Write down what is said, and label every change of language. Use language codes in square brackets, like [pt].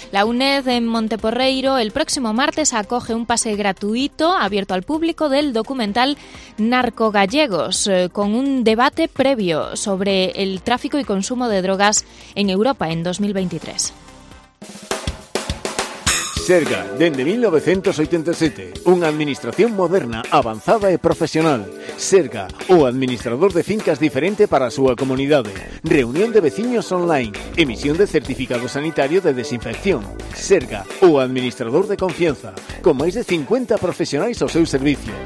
[es] La UNED en Monteporreiro el próximo martes acoge un pase gratuito abierto al público del documental Narcogallegos, con un debate previo sobre el tráfico y consumo de drogas en Europa en 2023. [gl] Serga, dende 1987, unha administración moderna, avanzada e profesional. Serga, o administrador de fincas diferente para a súa comunidade. Reunión de veciños online, emisión de certificado sanitario de desinfección. Serga, o administrador de confianza, con máis de 50 profesionais ao seu servicio.